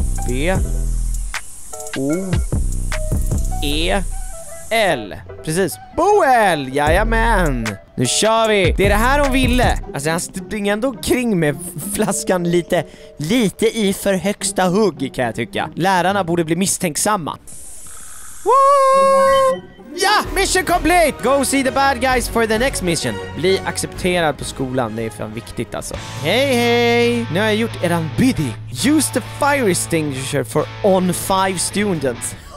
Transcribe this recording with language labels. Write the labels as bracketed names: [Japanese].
[Swedish] B O E L. Precis, Boel, jajamän. Nu kör vi. Det är det här hon ville. Alltså han springer ändå kring med flaskan lite i för högsta hugg, kan jag tycka. Lärarna borde bli misstänksamma. [English] Woo! Ja, mission complete. Go see the bad guys for the next mission. [Swedish] Bli accepterad på skolan, det är fan viktigt alltså. Hej. Nu har jag gjort eran bidding. [English] Use the fire extinguisher for on 5 students.